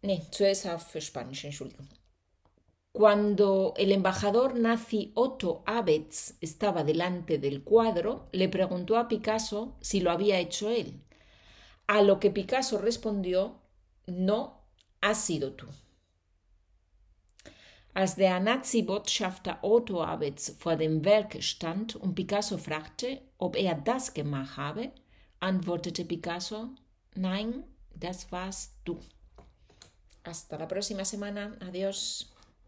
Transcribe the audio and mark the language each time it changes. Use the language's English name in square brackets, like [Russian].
[German] Zuerst auf Spanisch, Entschuldigung. [Spanish] Cuando el embajador nazi Otto Abetz estaba delante del cuadro, le preguntó a Picasso si lo había hecho él. A lo que Picasso respondió: No, has sido tú. [German] Als der Nazi-Botschafter Otto Abetz vor dem Werk stand und Picasso fragte, ob er das gemacht habe, antwortete Picasso: Nein, das warst du. [Spanish] Hasta la próxima semana. Adiós.